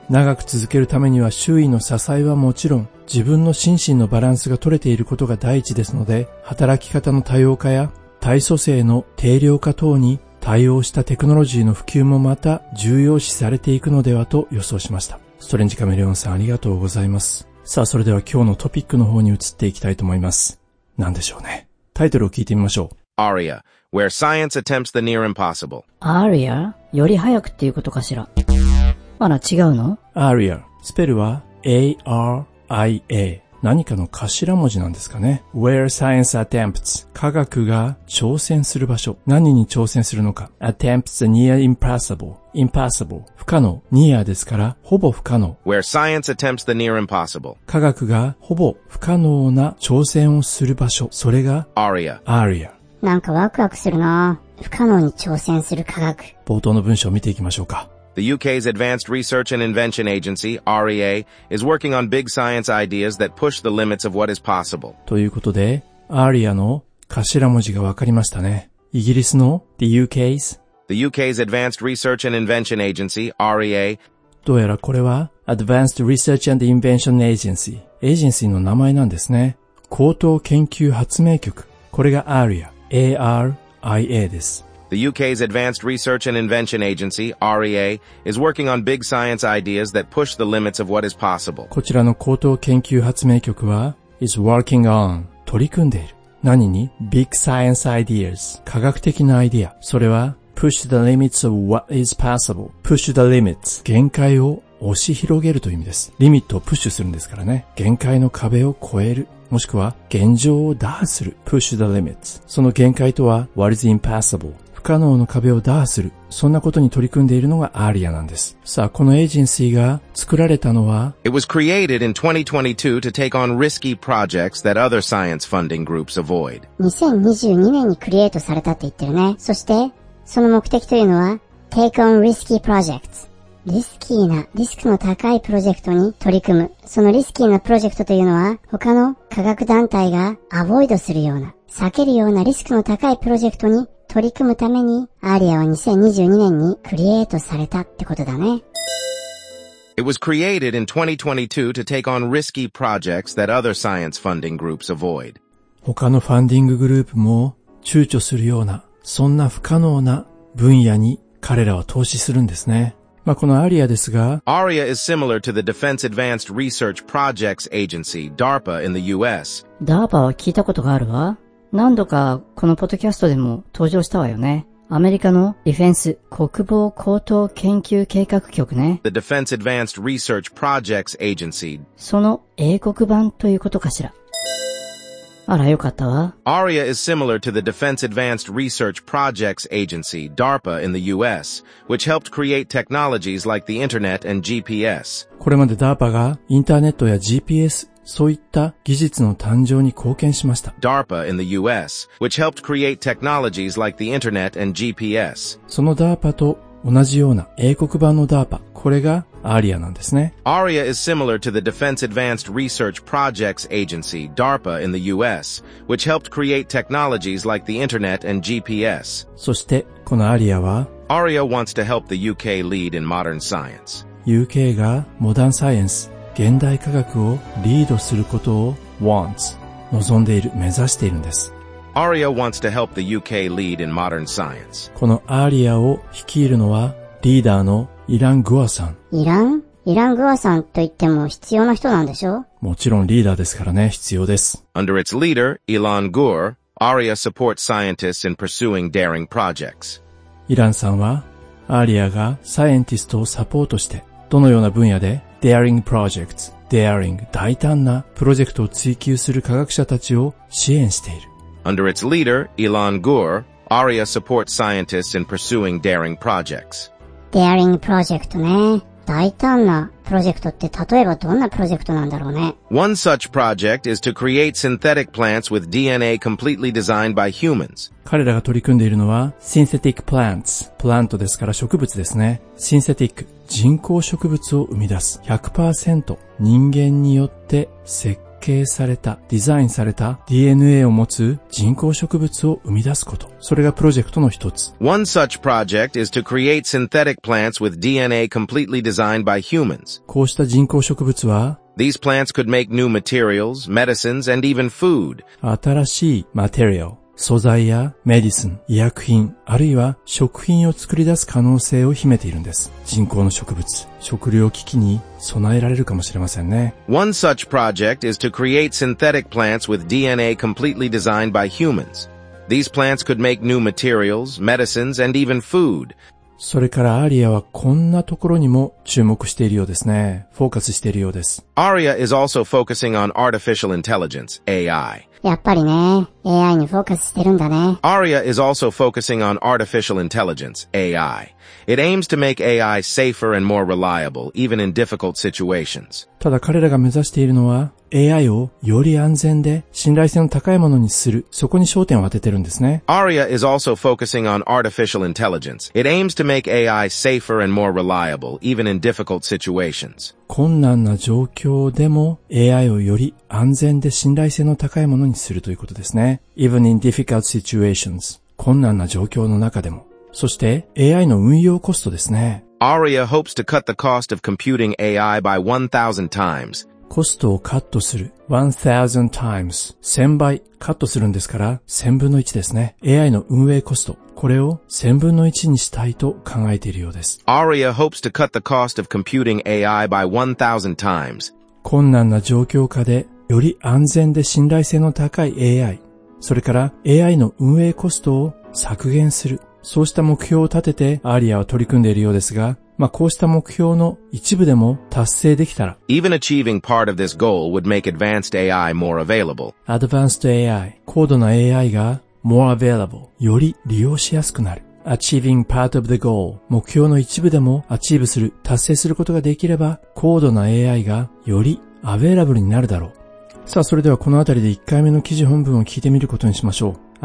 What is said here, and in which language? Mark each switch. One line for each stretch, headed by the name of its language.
Japanese: 長く続けるためには周囲の支えはもちろん、自分の心身のバランスが取れていることが第一ですので、働き方の多様化や体組成の定量化等に対応したテクノロジーの普及もまた重要視されていくのではと予想しました。ストレンジカメレオンさん、ありがとうございます。さあ、それでは今日のトピックの方に移っていきたいと思います。何でしょうね。タイトルを聞いてみましょう。
English: Aria, where science attempts the near impossible. Aria?
Japanese: より早くっていうことかしら。まだ違うの？ Aria, スペルは A-R-I-A。何かの頭文字なんですかね。
English: Where science attempts、
Japanese: 科学が挑戦する場所、何に挑戦するのか。
English: Attempts near impossible、 impossible、
Japanese: 不可能、
English: near
Japanese: ですからほぼ不可能。
English: Where science attempts the near impossible、
Japanese: 科学がほぼ不可能な挑戦をする場所、それが Aria。 Aria、なんかワクワクするな。不可能に挑戦する科学。冒頭の文章を見ていきましょうか。
English: The UK's Advanced Research and Invention Agency, REA, is working on big science ideas that push the limits of what is possible.
Japanese: ということで、ARIA の頭文字がわかりましたね。イギリスの The UK's?
English: The UK's Advanced Research and Invention Agency, REA.
Japanese: どうやらこれは Advanced Research and Invention Agency。エージェンシーの名前なんですね。高等研究発明局。これが ARIA。A-R-I-A です。
English: The UK's Advanced Research and Invention Agency, REA, is working on big science ideas that push the limits of what is possible.
Japanese: こちらの高等研究発明局は、
English: is working on、
Japanese: 取り組んでいる。何に？
English: big science ideas、
Japanese: 科学的なアイデア。それは、
English: push the limits of what is possible。 push the limits、
Japanese: 限界を押し広げるという意味です。リミットをプッシュするんですからね。限界の壁を越える。もしくは、現状を打破する。
English: push the limits。
Japanese: その限界とは、
English: what is impossible。
Japanese: 不可能の壁を打破する。そんなことに取り組んでいるのがアリアなんです。さあ、このエージェンシーが作られたのは、
English: It was created in 2022 to take on risky projects that other science funding groups avoid.
Japanese: 2022年にクリエイトされたって言ってるね。そして、その目的というのは、
English: take on risky projects。
Japanese: リスキーな、リスクの高いプロジェクトに取り組む。そのリスキーなプロジェクトというのは、他の科学団体がアボイドするような、避けるようなリスクの高いプロジェクトに取り組むために、アリアは2022年にクリエイトされたってことだね。
English: It was created in 2022 to take on risky projects that other science funding groups avoid.
Japanese: 他のファンディンググループも躊躇するような、そんな不可能な分野に彼らは投資するんですね。まあ、このアリアですが、
English: Aria is similar to the Defense Advanced Research Projects Agency, DARPA in the US.
Japanese: DARPA は聞いたことがあるわ。何度かこのポッドキャストでも登場したわよね。アメリカのディフェンス国防高等研究計画局ね。
English: The Defense Advanced Research Projects Agency.
Japanese: その英国版ということかしら。あら、よかったわ。
English: Aria is similar to the Defense Advanced Research Projects Agency, DARPA in the US, which helped create technologies like the Internet and GPS.
Japanese: これまで DARPA がインターネットや GPS、そういった技術の誕生に貢献しました。
English: DARPA in the US, which helped create technologies like the internet and GPS.
Japanese: その DARPA と同じような英国版の DARPA、これが ARIA なんですね。
English: ARIA is similar to the Defense Advanced Research Projects Agency, DARPA in the US, which helped create technologies like the internet and GPS.
Japanese: そしてこの ARIA は、
English: ARIA wants to help the UK lead in modern science.
Japanese: UK がモダンサイエンス、現代科学をリードすることを
English: wants、
Japanese: 望んでいる、目指しているんです。
English: ARIA wants to help the UK lead in modern science.
Japanese: この ARIA を率いるのはリーダーのイラン・グアさん。イラン・グアさんと言っても必要な人なんでしょう？もちろんリーダーですからね、必要です。
English: Under its leader, Elon Gore, ARIA supports scientists in pursuing daring projects.
Japanese: イランさんは ARIA がサイエンティストをサポートしてどのような分野で
English: daring projects、daring、
Japanese: 大胆なプロジェクトを追求する科学者たちを支援している。
English: Under its leader, Elon Gore, ARIA supports scientists in pursuing daring projects. Daring project ね。
Japanese: 大胆なプロジェクトって例えばどんなプロジェクトなんだろうね。
English: One such project is to create synthetic plants with DNA completely designed by humans.
Japanese: 彼らが取り組んでいるのは
English: synthetic plants。
Japanese: プラントですから植物ですね。
English: synthetic、
Japanese: 人工植物を生み出す。100% 人間によって設計。設計されたデザインされた DNA を持つ人工植物を生み出すこと、それがプロジェクトの一つ。
English: One such project is to create synthetic plants with DNA completely designed by humans.
Japanese: こうした人工植物は
English: These plants could make new materials, medicines, and even food.
Japanese: 新しいマテリアル、素材やメディスン、医薬品、あるいは食品を作り出す可能性を秘めているんです。人工の植物、食料危機に備えられるかもしれませんね。
English: One such project is to create synthetic plants with DNA completely designed by humans. These plants could make new materials, medicines, and even food.
Japanese: それからアリアはこんなところにも注目しているようですね。フォーカスしているようです。
English: Aria is also focusing on artificial intelligence, AI.
Japanese: やっぱりね、AI にフォーカスしてるんだね。
English: ARIA is also focusing on artificial intelligence, AI. It aims to make AI safer and more reliable, even in difficult situations.
Japanese: ただ彼らが目指しているのは、AI をより安全で信頼性の高いものにする、そこに焦点を当ててるんですね。
English: ARIA is also focusing on artificial intelligence. It aims to make AI safer and more reliable, even in difficult situations.
Japanese: 困難な状況でも AI をより安全で信頼性の高いものにするということですね。
English: Even in difficult situations.
Japanese: 困難な状況の中でも。そして AI の運用コストですね。
English: ARIA hopes to cut the cost of computing AI by 1000 times.
Japanese: コストをカットする。
English: 1000 times.
Japanese: 1000倍カットするんですから1000分の1ですね。AI の運営コスト。これを1000分の1にしたいと考えているようです。 ARIA hopes to cut the cost of computing AI by 1000 times. 困難な状況下で、より安全で信頼性の高い AI、それから AI の運営コストを削減する。そうした目標を立てて ARIA は取り組んでいるようですが、まあ、こうした目標の一部でも達成できたら。
English: Even achieving part of this goal would make advanced AI more available. Advanced AI、
Japanese: 高度な AI が
English: More available,
Japanese: より利用しやすくなる。
English: Achieving part of the goal,
Japanese: 目標の一部でもアチーブする、達成することができれば、高度な AI がよりアベラブルになるだろう。さあ、それではこのあたりで1回目の記事本文を聞いてみることにしましょう。